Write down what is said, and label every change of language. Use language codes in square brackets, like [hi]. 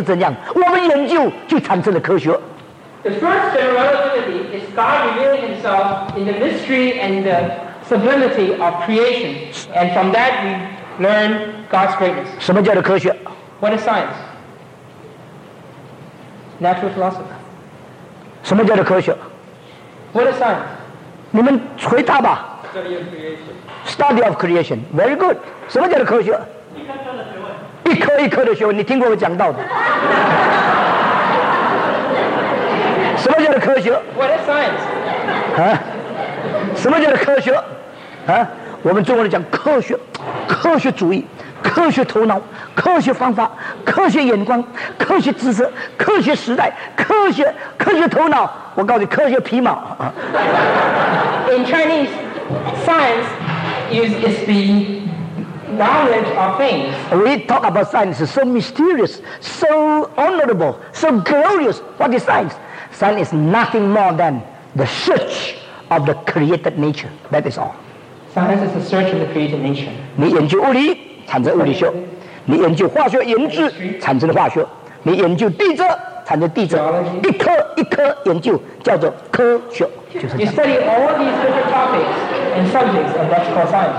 [zh] 神借着很特殊的方法启示了我们，这是第二个范围。第一个范围就是上帝把他所创造的万有所隐藏的奥秘显明在奇妙的造化界中间，所以我们看见了，我们就知道这个世界是怎样，我们研究就产生了科学。 [en] The first generality is God revealing himself in the mystery and the sublimity of creation, and from that we learn God's greatness. [zh] 什么叫做科学? [en] What is science? Natural philosophy. [zh] 什么叫做科学? [en] What is science? [zh] 你们回答吧。 [en] Study of creation. Study of creation. Very good. [zh] 什么叫做科学? 一颗一颗的学问。你听过我讲到的。什么叫做科学? [en] What is science? [zh] 什么叫做科学? 我们中国人讲科学，科学主义，科学头脑，科学方法，科学眼光，科学知识，科学时代，科学头脑，我告诉你，科学皮毛。 [en] in Chinese science is the knowledge of things. We talk about science, it's so mysterious, so honorable, so glorious. What is science? Science is nothing more than the search of the created nature. That is all. Science is the search of the created nature. [zh] 你研究物理，产生物理学。你研究化学研制产生的化学，你研究地质产生地质，一科一科研究叫做科学，就是这样。 [en] You study all of these different topics and subjects of electrical science.